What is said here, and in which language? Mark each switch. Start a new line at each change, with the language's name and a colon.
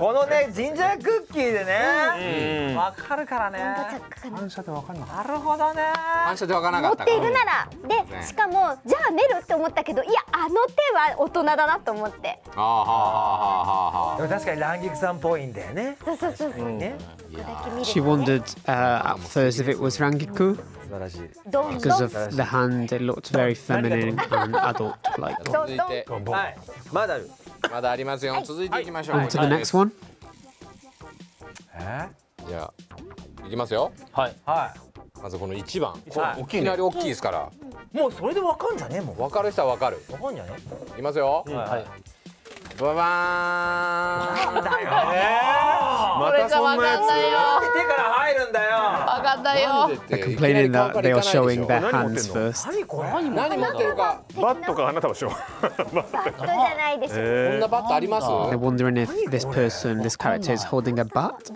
Japanese: このね、ジンジャークッキーでね、わ、うん、かるからね、本当着火かな、反射でわかんない。なるほどね、反射でわからなかった、持っているなら、うん、で、しかも、じゃあ寝るって思ったけど、いや、あの手は大人だなと思って。あーはーはーはーはーはー。でも確かにランギクさんっぽいんだよね。そうそうそうそう、ね、
English: She wondered at first if it was Rangiku because of the hand, it looked very feminine and adult like.
Japanese: まだある。まだありますよ。続いていきましょう。
English: On to the next one.
Japanese: じゃあ、いきますよ。はい。まずこの1番。いきなり大きいですから。もうそれで分かんじゃねえもん。分かる人は分かる。分かんじゃねえ。いきますよ、うん、はい、ババーン。なんだよ、またそんなやつ。来てから入るんだよ。分かんないよ。
English: They're complaining that they are showing their hands first。
Japanese: 何これ何持ってるか。バットか花束しよう。バットじゃないでしょ。こんなバットあります。
English: They're wondering if this person, this character is holding a bat。